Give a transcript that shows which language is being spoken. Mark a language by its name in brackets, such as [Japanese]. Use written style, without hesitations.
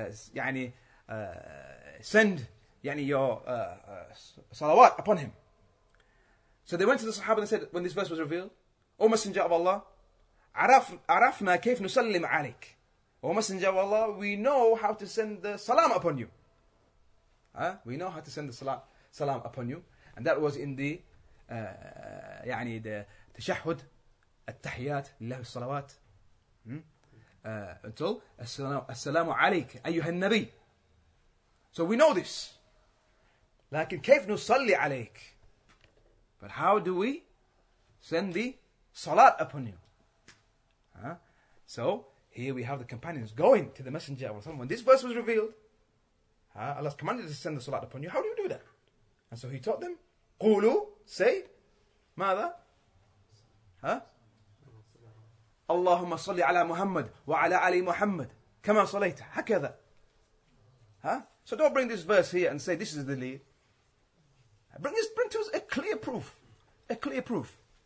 [English] Send يعني your salawat upon him. So they went to the Sahaba and said, when this verse was revealed, O Messenger of Allah, [Arabic] arafna kayf nusallim alayk. [English] O Messenger of Allah, we know how to send the salam upon you. We know how to send the salam upon you. And that was in the يعني the [Arabic] تشهد التحيات لله الصلوات [English] until [Arabic] السلام عليك أيها النبي. [English] So we know this. [Arabic] لكن كيف نصلي عليك. [English] But how do we send the salat upon you? So here we have the companions going to the Messenger of Allah. When this verse was revealed, Allah commanded to send the salat upon you. How do you do that? And so he taught them, [Arabic] قولوا, [English] say, [Arabic] ماذا؟ اللهم صل على محمد وعلى علي محمد كما صليت هكذا. [English] So don't bring this verse here and say this is the lead. Bring to us a clear proof.